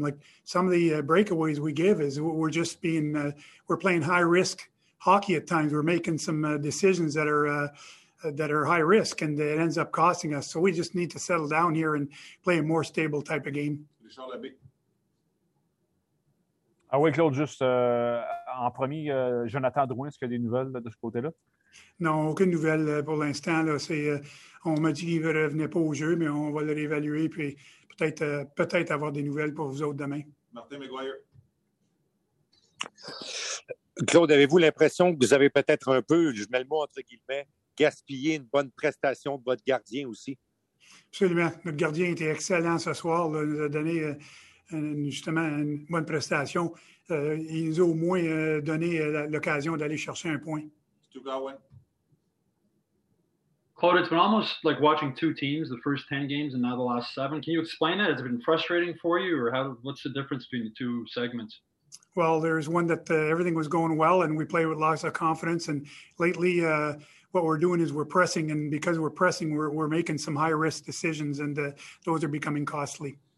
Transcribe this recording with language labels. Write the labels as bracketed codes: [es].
[en] Like some of the breakaways we give is we're just being, we're playing high risk hockey at times. We're making some decisions that are high risk, and it ends up costing us. So we just need to settle down here and play a more stable type of game. [fr] Ah oui, Claude, juste en premier, Jonathan Drouin, est-ce qu'il y a des nouvelles là, de ce côté-là? Non, aucune nouvelle pour l'instant. Là. C'est, on m'a dit qu'il ne revenait pas au jeu, mais on va le réévaluer puis peut-être, peut-être avoir des nouvelles pour vous autres demain. Martin McGuire. Claude, avez-vous l'impression que vous avez peut-être un peu, je mets le mot entre guillemets, gaspillé une bonne prestation de votre gardien aussi? Absolument. Notre gardien était excellent ce soir. Là. Il nous a donné... justement, une bonne prestation. Il nous a au moins donné l'occasion d'aller chercher un point. [en] Claude, it's been almost like watching two teams, the first 10 games and now the last seven. Can you explain that? Has it been frustrating for you, or how, what's the difference between the two segments? Well, there's one that everything was going well and we played with lots of confidence. And lately, what we're doing is we're pressing. And because we're pressing, we're making some high-risk decisions, and those are becoming costly.